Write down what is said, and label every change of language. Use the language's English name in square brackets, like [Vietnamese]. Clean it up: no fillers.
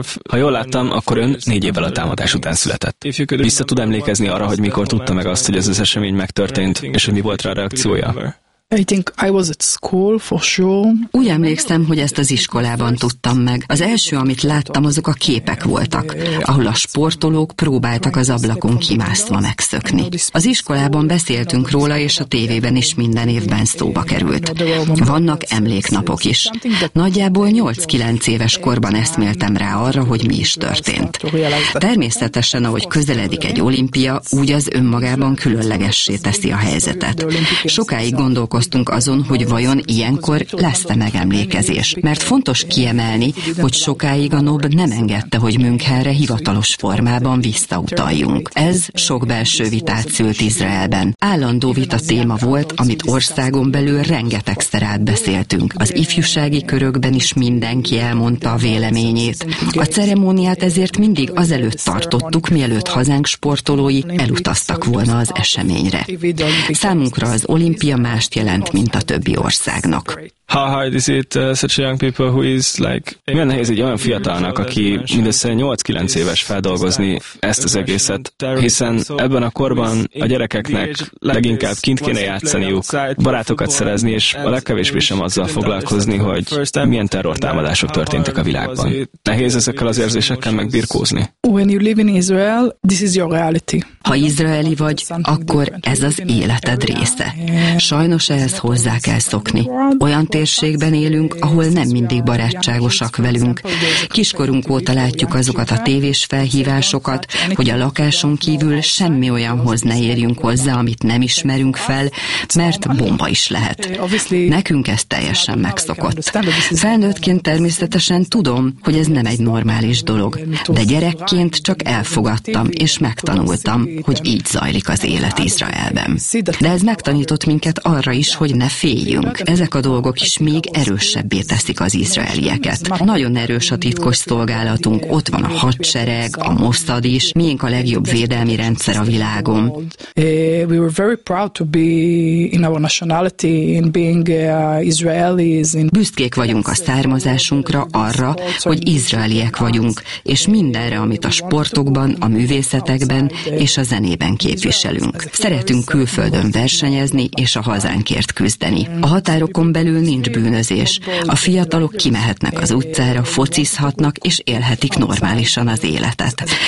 [Hungarian] Ha jól láttam, akkor ön 4 évvel a támadás után született. Vissza tud emlékezni arra, hogy mikor tudta meg azt, hogy ez az esemény megtörtént, és hogy mi volt rá a reakciója? [English] I think I was at school for sure. [Hungarian] Úgy emlékszem, hogy ezt az iskolában tudtam meg. Az első, amit láttam, azok a képek voltak, ahol a sportolók próbáltak az ablakon kimászva megszökni. Az iskolában beszéltünk róla, és a tévében is minden évben szóba került. Vannak emléknapok is. Nagyjából 8-9 éves korban eszméltem rá arra, hogy mi is történt. Természetesen, ahogy közeledik egy olimpia, úgy az önmagában különlegessé teszi a helyzetet. Sokáig gondolkodtam azon, hogy vajon ilyenkor lesz-e megemlékezés. Mert fontos kiemelni, hogy sokáig a NOB nem engedte, hogy Münchenre hivatalos formában visszautaljunk. Ez sok belső vitát szült Izraelben. Állandó vita téma volt, amit országon belül rengetegszer átbeszéltünk. Az ifjúsági körökben is mindenki elmondta a véleményét. A ceremóniát ezért mindig azelőtt tartottuk, mielőtt hazánk sportolói elutaztak volna az eseményre. Számunkra az olimpia más jelent, mint a többi országnak. [English] How hard is it, such a young people who is like... [Hungarian] Milyen nehéz egy olyan fiatalnak, aki mindössze 8-9 éves feldolgozni ezt az egészet, hiszen ebben a korban a gyerekeknek leginkább kint kéne játszaniuk, barátokat szerezni, és a legkevésbé sem azzal foglalkozni, hogy milyen terrortámadások történtek a világban. Nehéz ezekkel az érzésekkel megbirkózni. [English] When you live in Israel, this is your reality. [Hungarian] Ha izraeli vagy, akkor ez az életed része. Sajnos ehhez hozzá kell szokni. Olyan térségben élünk, ahol nem mindig barátságosak velünk. Kiskorunk óta látjuk azokat a tévés felhívásokat, hogy a lakáson kívül semmi olyanhoz ne érjünk hozzá, amit nem ismerünk fel, mert bomba is lehet. Nekünk ez teljesen megszokott. Felnőttként természetesen tudom, hogy ez nem egy normális dolog, de gyerekként csak elfogadtam és megtanultam, hogy így zajlik az élet Izraelben. De ez megtanított minket arra is, hogy ne féljünk. Ezek a dolgok is még erősebbé teszik az izraelieket. Nagyon erős a titkos szolgálatunk, ott van a hadsereg, a Mossad is, miénk a legjobb védelmi rendszer a világon. [English] We were very proud to be in our nationality, in being Israelis. [Hungarian] Büszkék vagyunk a származásunkra, arra, hogy izraeliek vagyunk, és mindenre, amit a sportokban, a művészetekben és a zenében képviselünk. Szeretünk külföldön versenyezni és a hazánkért küzdeni. A határokon belül nincs bűnözés. A fiatalok kimehetnek az utcára, focizhatnak és élhetik normálisan az életet.